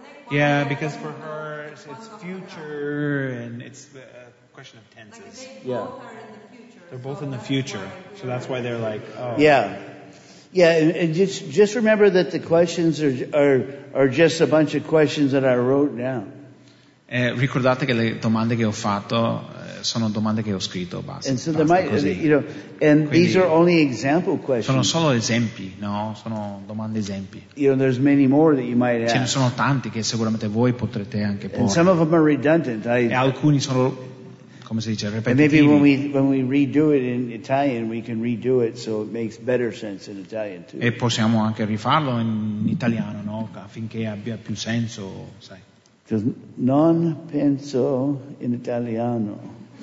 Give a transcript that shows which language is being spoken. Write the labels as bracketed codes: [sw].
[en] Yeah, because for her it's future and it's a question of tenses. Yeah, they're both in the future, so that's why they're like, oh. Yeah. Yeah, and just remember that the questions are just a bunch of questions that I wrote down. [it] Ricordate che le domande che ho fatto sono domande che ho scritto, basta. [en] And so there might, you know, and these are only example questions. [it] Sono solo esempi, no? Sono domande esempi. [en] You know, there's many more that you might ask. [it] Ce ne sono tanti che sicuramente voi potrete anche porre. [en] And some of them are redundant. [it] E alcuni sono, come si dice, [en] and maybe when we redo it in Italian, we can redo it so it makes better sense in Italian too. [it] E possiamo anche rifarlo in italiano, no? Affinché abbia più senso, sai. Just non penso in italiano.